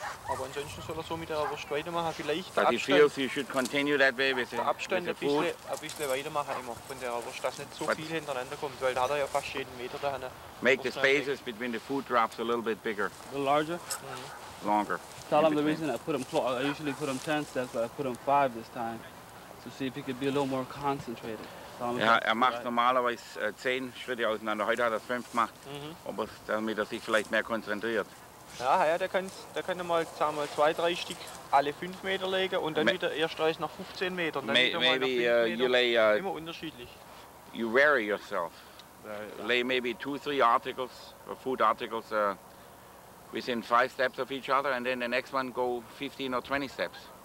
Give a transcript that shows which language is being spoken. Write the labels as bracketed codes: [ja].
[en] But he feels he should continue that way with the food. Make the spaces between the food drops a little bit bigger. A little larger? Longer. Tell him the reason I put him, I usually put him 10 steps, but I put him 5 this time. To see if he could be a little more concentrated. [de] Ja, macht normalerweise 10 Schritte auseinander. Heute hat 5 gemacht, damit sich vielleicht mehr konzentriert. Ja, der kann mal, sagen wir, 2-3 Stück alle 5 Meter legen und dann wieder erst reicht nach 15 Metern. Dann wieder mal [en] maybe, [de] nach 5 Meter. Immer unterschiedlich. [en] You vary yourself. Lay maybe 2-3 articles, or food articles, within 5 steps of each other and then the next one go 15 or 20 steps.